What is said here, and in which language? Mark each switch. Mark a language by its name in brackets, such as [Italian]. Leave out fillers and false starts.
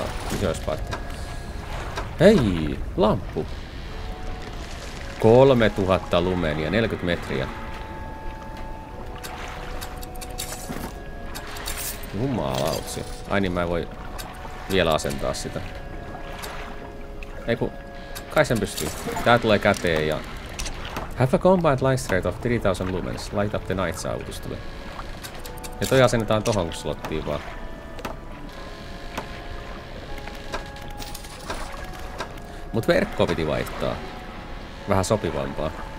[Finnish] kysymyspaikka. Hei, lamppu. 3000 lumenia, 40 metriä. Jumalautsi. Ai niin, mä en voi vielä asentaa sitä. Ei kun, kai sen pystyy. Tää tulee käteen ja... [English] Have a combined light rate of 3000 lumens. [Finnish] Light up the night saavutus tuli. Ja toi asennetaan tohon slottiin vaan. Mut verkkoa piti vaihtaa. Vähän sopivampaa.